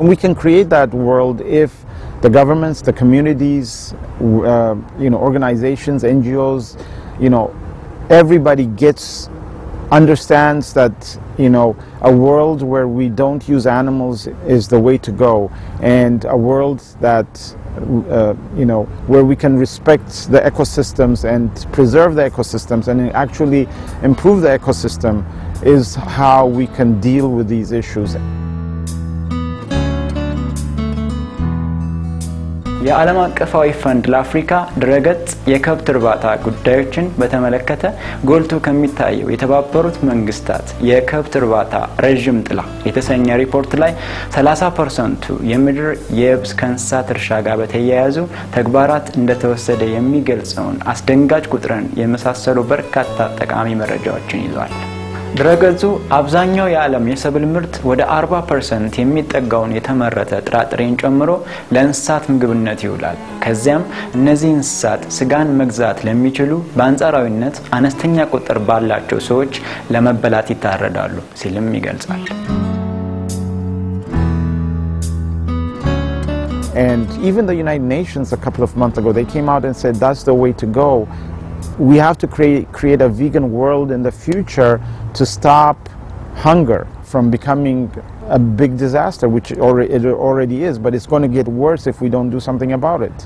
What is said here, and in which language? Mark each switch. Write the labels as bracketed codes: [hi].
[en] And we can create that world if the governments, the communities, you know, organizations, NGOs, you know, everybody understands that, you know, a world where we don't use animals is the way to go, and a world that, you know, where we can respect the ecosystems and preserve the ecosystems and actually improve the ecosystem is how we can deal with these issues. [am] የዓለም አቀፋዊ ፈንድ ለአፍሪካ ድረገጽ የከብት እርባታ ጉዳዮችን በተመለከተ ጎልቶ ከመታየው የተባበሩት መንግስታት የከብት እርባታ ረጅም ጥላ የተሰኘ ሪፖርት ላይ 30% የምድር የየብስ ከንሳት እርሻ ጋር በተያያዙ ተግባራት እንደተወሰደ የሚገልጸውን አስደንጋጭ ቁጥርን የመሳሰሉ በርካታ ጠቃሚ መረጃዎችን ይዟል። ድረገጹ አብዛኛው የዓለም የሰብል ምርት ወደ 40% የሚጠጋውን የተመረተ ጥራጥሬን ጨምሮ ለእንስሳት ምግብነት ይውላል። ከዚያም እነዚህ እንስሳት ስጋን መግዛት ለሚችሉ በአንጻራዊነት አነስተኛ ቁጥር ባላቸው ሰዎች ለመበላት ይታረዳሉ ሲልም ይገልጻል። [en] And even the United Nations a couple of months ago they came out and said that's the way to go. We have to create a vegan world in the future to stop hunger from becoming a big disaster, which it already is, but it's going to get worse if we don't do something about it.